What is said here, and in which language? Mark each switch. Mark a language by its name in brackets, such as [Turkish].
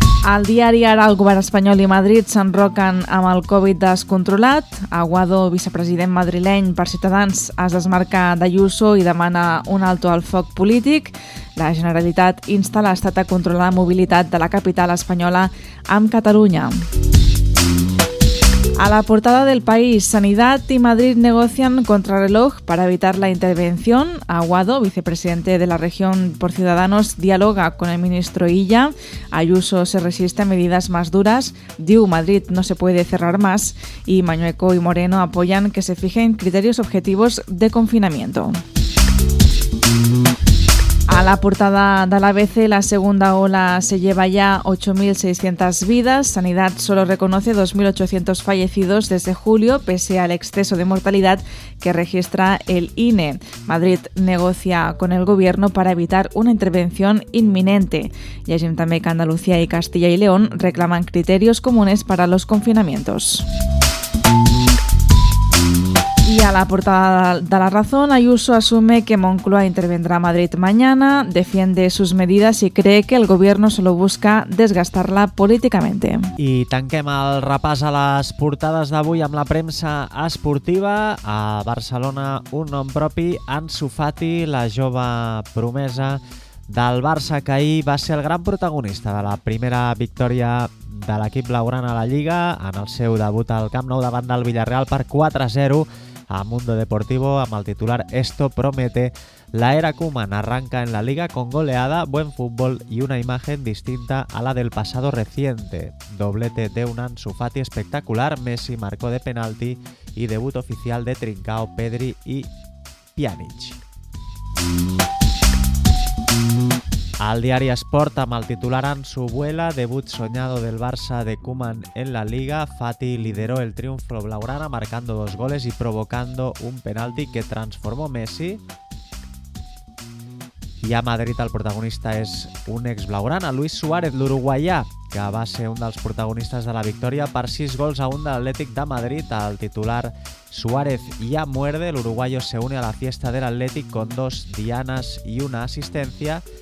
[Catalan] Al diari ara, el govern espanyol i Madrid s'enroquen amb el Covid descontrolat. Aguado, vicepresident madrileny per Ciutadans, es desmarca d'Ayuso i demana un alto al foc polític. La Generalitat insta l'Estat a controlar la mobilitat de la capital espanyola amb Catalunya. [Spanish] A la portada del País, Sanidad y Madrid negocian contrarreloj para evitar la intervención. Aguado, vicepresidente de la región por Ciudadanos, dialoga con el ministro Illa. Ayuso se resiste a medidas más duras. [Catalan] Diu, [Spanish] Madrid no se puede cerrar más. Y Mañueco y Moreno apoyan que se fijen criterios objetivos de confinamiento. A la portada de la ABC, la segunda ola se lleva ya 8.600 vidas. Sanidad solo reconoce 2.800 fallecidos desde julio, pese al exceso de mortalidad que registra el INE. Madrid negocia con el gobierno para evitar una intervención inminente. Y así también que Andalucía y Castilla y León reclaman criterios comunes para los confinamientos. Y a la portada de La Razón, Ayuso asume que Moncloa intervendrá a Madrid mañana, defiende sus medidas y cree que el gobierno solo busca desgastarla políticamente. [Catalan] I tanquem el repàs a les portades d'avui amb la premsa esportiva. A Barcelona, un nom propi, Ansu Fati, la jove promesa del Barça, que ahir va ser el gran protagonista de la primera victòria de l'equip blaugrana a la Lliga en el seu debut al Camp Nou davant del Villarreal per 4-0. A Mundo Deportivo, amb el titular [Spanish] Esto Promete, la era Koeman arranca en la Liga con goleada, buen fútbol y una imagen distinta a la del pasado reciente. Doblete de un Ansu Fati espectacular, Messi marcó de penalti y debut oficial de Trincao, Pedri y Pjanic. [Catalan] Al diari Esport, amb el titular [Spanish] Ansu Vuela, debut soñado del Barça de Koeman en la Liga, Fati lideró el triunfo blaugrana marcando dos goles y provocando un penalti que transformó Messi. [Catalan] I a Madrid el protagonista és un ex blaugrana, Luis Suárez, l'uruguaià, que va ser un dels protagonistes de la victòria per 6-1 de l'Atlètic de Madrid. [Spanish] El titular Suárez ya muerde, l'uruguayo se une a la fiesta del Atlètic con dos dianas y una asistencia.